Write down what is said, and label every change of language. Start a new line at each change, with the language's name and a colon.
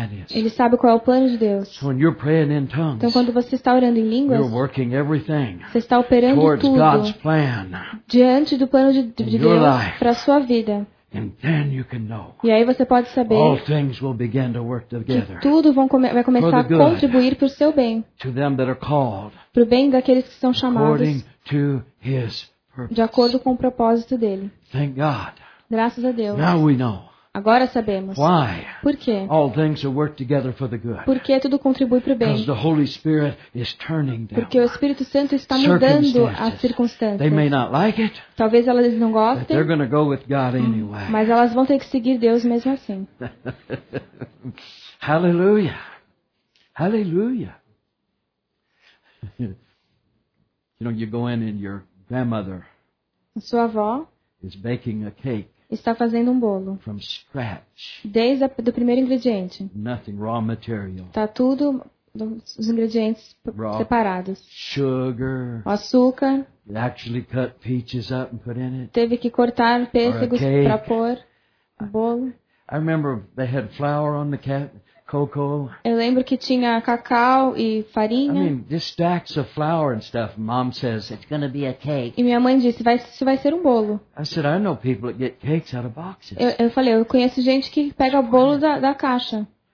Portuguese: Ele sabe qual é o plano de Deus. Então, quando você está orando em línguas, você está operando tudo diante do plano de Deus para a sua vida.
English: And then you can know.
Portuguese: E aí você pode saber
English: all things will begin to work together.
Portuguese: Que tudo vai começar
English: good,
Portuguese: a contribuir para o seu bem.
English: To them that are called.
Portuguese: Para o bem daqueles que são chamados.
English: According to his purpose.
Portuguese: De acordo com o propósito dele.
English: Thank God.
Portuguese: Graças a Deus.
English: Now we know.
Portuguese: Agora sabemos.
English: Why?
Portuguese: Por quê?
English: All things will work together for the good.
Portuguese: Porque tudo contribui para o bem.
English: Because the Holy Spirit is turning them.
Portuguese: Porque o Espírito Santo está mudando as circunstâncias.
English: They may not like it.
Portuguese: Talvez elas não gostem.
English: But they're going to go with God anyway.
Portuguese: Mas elas vão ter que seguir Deus mesmo assim.
English: Hallelujah. Hallelujah. You know, you go in and your grandmother.
Portuguese: Sua avó.
English: Is baking a cake.
Portuguese: Está fazendo um bolo.
English: From scratch.
Portuguese: Desde o primeiro ingrediente.
English: Nothing, raw material.
Portuguese: Está tudo, os ingredientes
English: raw
Portuguese: separados.
English: Sugar.
Portuguese: O açúcar.
English: It actually cut peaches up and put in it.
Portuguese: Teve que cortar pêssegos para pôr o bolo.
English: I remember they had flour on the cocoa.
Portuguese: Eu lembro que tinha cacau e farinha.
English: I mean, just stacks of flour and stuff. Mom says it's going to be a cake.
Portuguese: E minha mãe disse, isso vai ser um bolo.
English: I said, I know people that get cakes out of boxes.
Portuguese: Eu falei, eu conheço gente que pega bolo da caixa.